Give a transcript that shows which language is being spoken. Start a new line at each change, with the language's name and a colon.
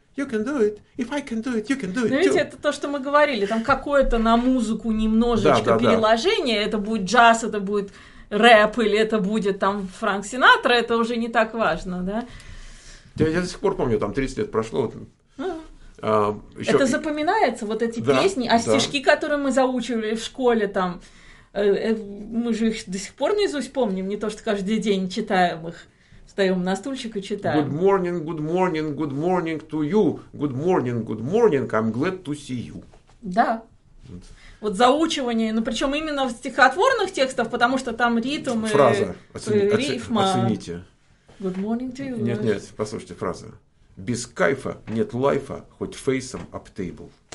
English: You can do it, if I can do it, you can do it too.
Russian: Знаете, это то, что мы говорили, там какое-то на музыку немножечко переложение, это будет джаз, это будет рэп, или это будет там Фрэнк Синатра, это уже не так важно, да? Я до сих пор помню, там 30 лет прошло. Это запоминается, вот эти песни, а стишки, которые мы заучивали в школе, там, мы же их до сих пор наизусть помним, не то, что каждый день читаем их, встаем на стульчик и читаем.
English: Good morning, good morning, good morning to you. Good morning, I'm glad to see you.
Russian: Да. Вот заучивание, ну, причем именно в стихотворных текстах, потому что там ритм и фраза, рифма. Оцените.
English: Good morning to you.
Russian: Нет, нет, послушайте фразу. Без кайфа нет лайфа, хоть фейсом
English: up table.